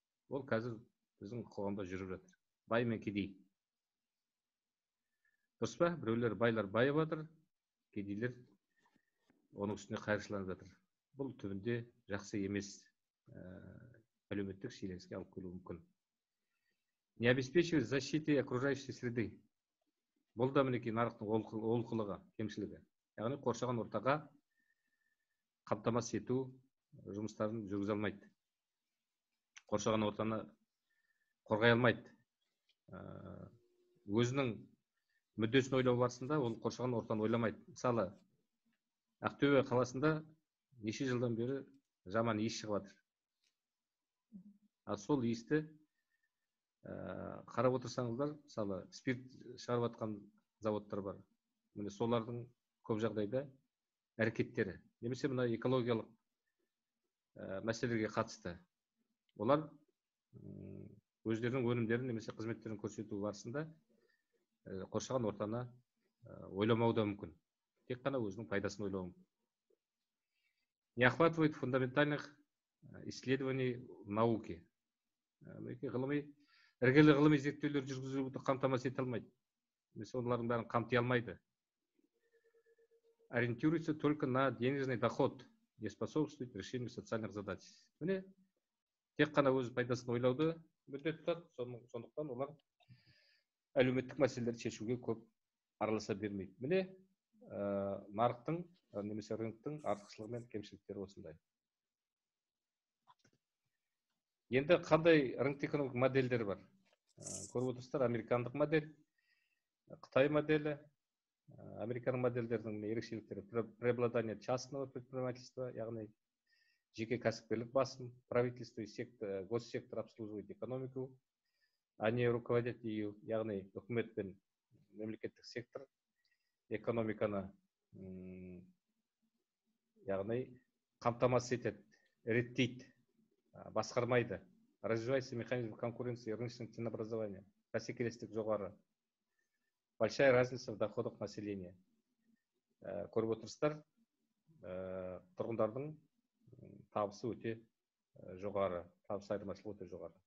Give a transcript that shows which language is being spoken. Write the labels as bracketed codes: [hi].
[kk] Ол қазір біздің қоғамда жүріп жатыр. Бай мен кедей. Дұрыс па? Біреулер байлар байып жатыр, кедейлер оның үстіне қайыршыланып жатыр. Бұл түбінде жақсы емес әлеуметтік шиеленіске алып келуі мүмкін. [ru] Не обеспечивает защиты окружающей среды. [kk] Бұл да мінекей нарықтың олқылығы, кемшілігі. Яғни қоршаған ортаға қамтамасыз ету жұмыстарын жүргізе алмайды. Қоршаған ортаны қорғай алмайды. Өзінің мүддесін ойлау барысында ол қоршаған ортаны ойламайды. Мысалы, Ақтөбе қаласында неше жылдан бері жаман иіс шығып жатыр. Сол иісті қарап отырсаңыздар, мысалы, спирт шығарып жатқан заводтар бар. Міне солардың көп жағдайда әрекеттері. Немесе мына экологиялық мәселеге қатысты. Олар өздерінің өнімдерін немесе қызметтерін көрсету барысында қоршаған ортаны ойламауы мүмкін. Тек қана өзінің пайдасын ойлауы мүмкін. [ru] Не охватывает фундаментальных исследований науки. [kk] Іргелі ғылыми зерттеулер жүргізілуді қамтамасыз ете алмайды. Мысалы, олардың бәрін қамти алмайды. [ru] Ориентируется только на денежный доход, не способствует решению социальных задач. [kk] Міне, тек қана өз пайдасын ойлауды міндет тұтады, сондықтан олар әлеуметтік мәселелерді шешуге көп араласа бермейді. Міне, нарықтың, немесе рыноктың артықшылығы мен кемшіліктері осындай. Енді қандай рынок экономик модельдер бар? Көріп отырсыздар, американдық модель, Қытай моделі, американдық модельдердің ерекшеліктері [ru] преобладание частного предпринимательства, [kk] яғни жеке кәсіпкерлік басым, [ru] правительство и госсектор обслуживает экономику, а не руководят ее, [kk] яғни үкімет пен мемлекеттік сектор экономиканы яғни қамтамасыз етеді, реттейді, басқармайды. [ru] Развивается механизм конкуренции, рыночных ценообразования, [kk] бәсекелестік жоғары. [ru] Большая разница в доходах населения. [kk] Көріп отырсыздар, тұрғындардың табысы өте жоғары, табыс айырмашылығы өте жоғары.